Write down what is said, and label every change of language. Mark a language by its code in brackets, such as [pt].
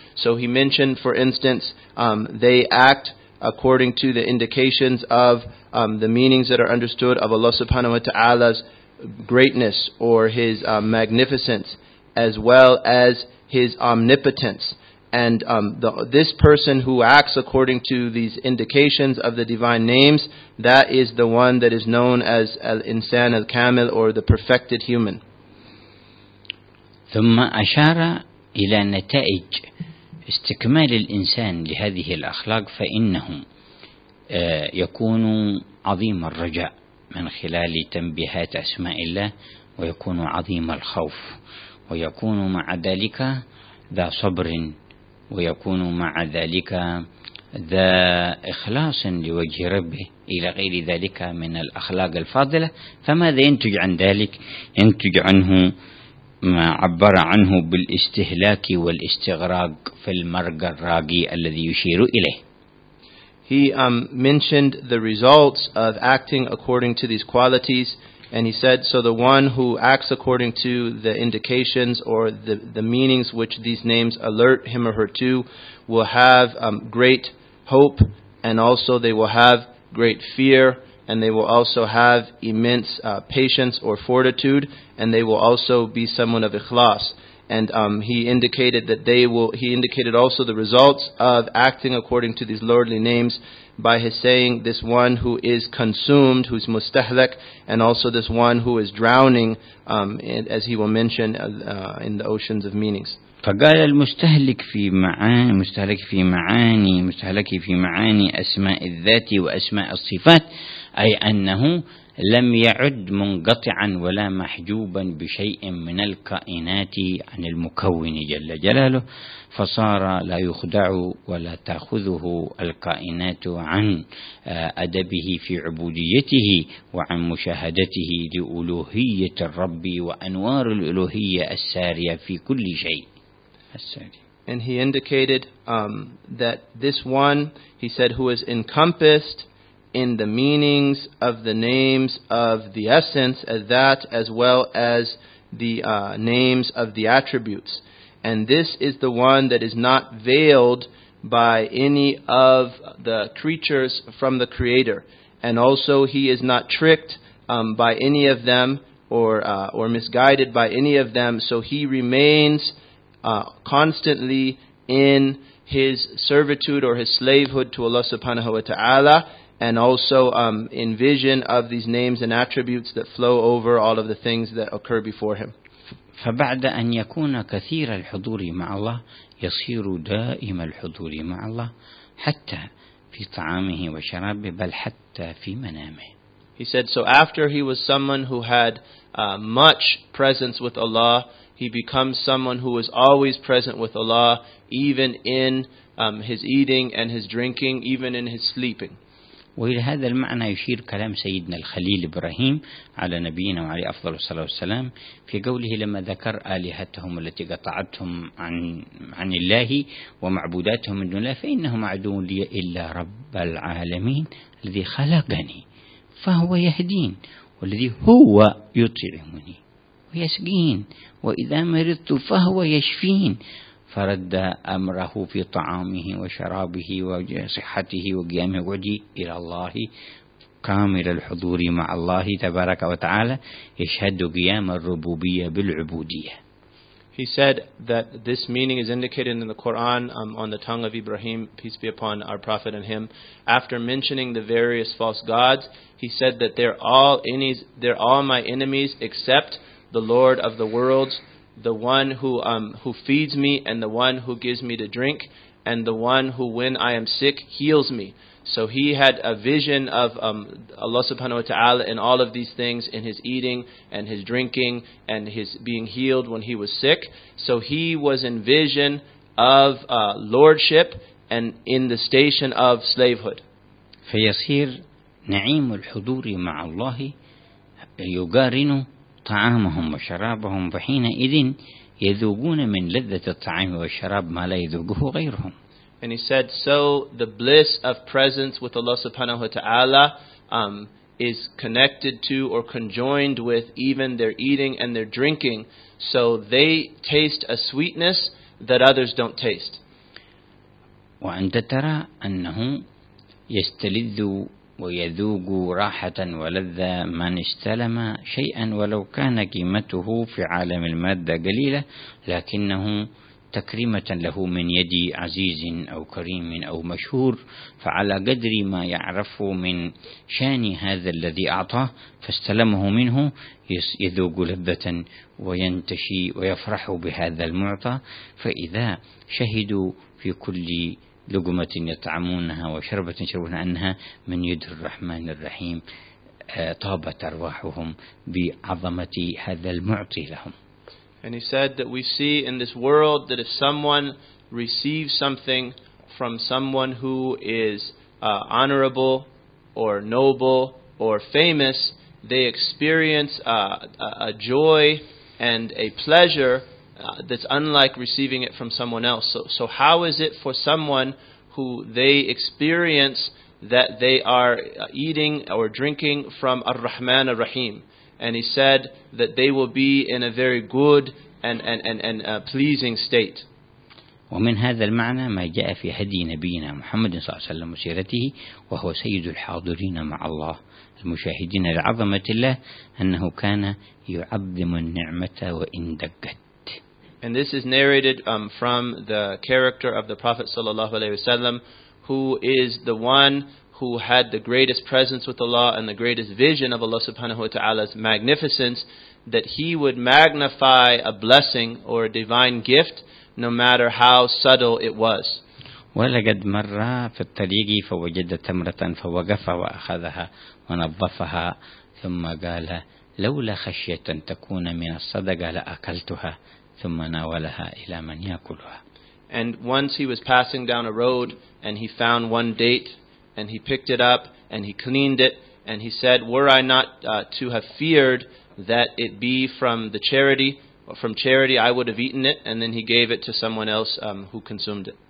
[en] So he mentioned, for instance, they act according to the indications of the meanings that are understood of Allah subhanahu wa ta'ala's greatness or his magnificence, as well as his omnipotence. And this person who acts according to these indications of the divine names, that is the one that is known as al-insan al-kamil, or the perfected human. [ar] ثم أشار إلى نتائج استكمال الإنسان لهذه الأخلاق فإنه يكون عظيم الرجاء من خلال تنبيهات أسماء الله ويكون عظيم الخوف ويكون مع ذلك ذا صبر ويكون مع ذلك ذا إخلاص لوجه ربه إلى غير ذلك من الأخلاق الفاضلة فماذا ينتج عن ذلك؟ ينتج عنه ما عبر عنه بالاستهلاك والاستغراق في المرق الراقي الذي يشير إليه. [en] He mentioned the results of acting according to these qualities, and he said, so the one who acts according to the indications or the meanings which these names alert him or her to will have great hope, and also they will have great fear, and they will also have immense patience or fortitude, and they will also be someone of ikhlas. And he indicated also the results of acting according to these lordly names by his saying, this one who is consumed, who's mustahlak, and also this one who is drowning, as he will mention in the oceans of meanings. [ar] فقال المستهلك في معاني مستهلك في معاني مستهلك في معاني أسماء الذات وأسماء الصفات أي أنه لم يعد منقطعا ولا محجوبا بشيء من الكائنات عن المكون جل جلاله فصار لا يخدع ولا تأخذه الكائنات عن أدبه في عبوديته وعن مشاهدته لألوهية الرب وأنوار الألوهية السارية في كل شيء. [en] And he indicated that this one, he said, who is encompassed in the meanings of the names of the essence, as that as well as the names of the attributes. And this is the one that is not veiled by any of the creatures from the Creator. And also he is not tricked by any of them or misguided by any of them. So he remains constantly in his servitude or his slavehood to Allah subhanahu wa ta'ala, and also in vision of these names and attributes that flow over all of the things that occur before him. [ar] فبعد أن يكون كثير الحضور مع الله يصير دائم الحضور مع الله حتى في طعامه وشرابه بل حتى في منامه. [en] He said, so after he was someone who had much presence with Allah, he becomes someone who is always present with Allah, even in his eating and his drinking, even in his sleeping. [ar] وإلى هذا المعنى يشير كلام سيدنا الخليل إبراهيم على نبينا وعلي أفضل الصلاة والسلام في قوله لما ذكر آلهتهم التي قطعتهم عن الله ومعبوداتهم من دون الله فإنهم عدو لي إلا رب العالمين الذي خلقني فهو يهدين والذي هو يطعمني ويسقين وإذا مرضت فهو يشفين فرد أمره في طعامه وشرابه وصحته وقيامه وعدي إلى الله كامل الحضور مع الله تبارك وتعالى يشهد قيام الربوبية بالعبودية. [en] He said that this meaning is indicated in the Quran on the tongue of Ibrahim, peace be upon our Prophet and him. After mentioning the various false gods, he said that they're all my enemies except the Lord of the worlds, the one who feeds me and the one who gives me to drink and the one who, when I am sick, heals me. So he had a vision of Allah subhanahu wa ta'ala in all of these things, in his eating and his drinking and his being healed when he was sick. So he was in vision of lordship and in the station of slavehood. [ar] فيصير نعيم الحضور مع الله يقارن طعامهم وشرابهم وحينئذ يذوقون من لذة الطعام والشراب ما لا يذوقه غيرهم. [en] And he said, so the bliss of presence with Allah subhanahu wa ta'ala is connected to or conjoined with even their eating and their drinking. So they taste a sweetness that others don't taste. [ar] وأنت ترى أنه يستلذ ويذوق راحة ولذة من استلم شيئا ولو كان قيمته في عالم المادة قليلة لكنه تكريمة له من يد عزيز أو كريم أو مشهور فعلى قدر ما يعرف من شان هذا الذي أعطاه فاستلمه منه يذوق لذة وينتشي ويفرح بهذا المعطى فإذا شهدوا في كل لقمة يطعمونها وشربة يشربونها أنها من يد الرحمن الرحيم طابت أرواحهم بعظمة هذا المعطي لهم. [en] And he said that we see in this world that if someone receives something from someone who is honorable or noble or famous, they experience a joy and a pleasure that's unlike receiving it from someone else. So how is it for someone who they experience that they are eating or drinking from Ar-Rahman Ar-Rahim? And he said that they will be in a very good and pleasing state. [ar] ومن هذا المعنى ما جاء في هدي نبينا محمد صلى الله عليه وسلم وسيرته وهو سيد الحاضرين مع الله المشاهدين لعظمة الله أنه كان يعظم النعمة وإن دقت. [en] And this is narrated from the character of the Prophet sallallahu alaihi wasallam, who is the one who had the greatest presence with Allah and the greatest vision of Allah subhanahu wa ta'ala's magnificence, that he would magnify a blessing or a divine gift no matter how subtle it was. [ar] ولقد مر في الطريق فوجد تمرة فوقف وأخذها ونظفها ثم قال لولا خشية أن تكون من الصدقة لأكلتها ثم ناولها إلى من يأكلها. [en] And once he was passing down a road and he found one date, and he picked it up and he cleaned it, and he said, were I not to have feared that it be from the charity or from charity, I would have eaten it. And then he gave it to someone else who consumed it.